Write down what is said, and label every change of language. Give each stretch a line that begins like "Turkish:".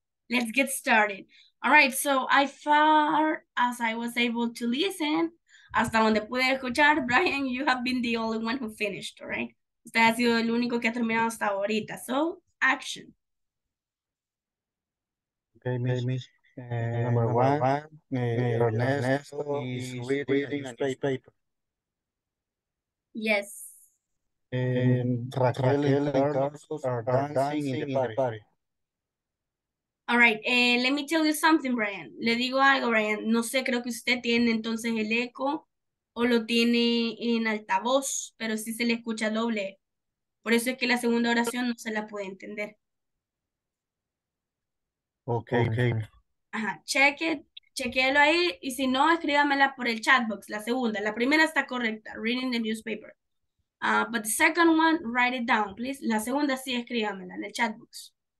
English: Let's get started. All right, so as far as I was able to listen,
Spanish: hasta donde pude escuchar,
English: Brian, you have been the only one who finished, all right?
Spanish: Usted ha sido el único que ha terminado hasta ahorita.
English: So, action. Okay, Miss. Okay, number one, Ernesto. is reading his paper. Yes. Raquel and Carlos are dancing in the party. All right, let me tell you something, Brian.
Spanish: Le digo algo, Brian. No sé, creo que usted tiene entonces el eco o lo tiene en altavoz, pero sí se le escucha doble. Por eso es que la segunda oración no se la puede entender. Okay. Ajá, chequéelo ahí y si no, escríbamela por el chat box, la segunda. La primera está correcta,
English: reading the newspaper. But the second one, write it down, please.
Spanish: La segunda sí, escríbamela en el chat box.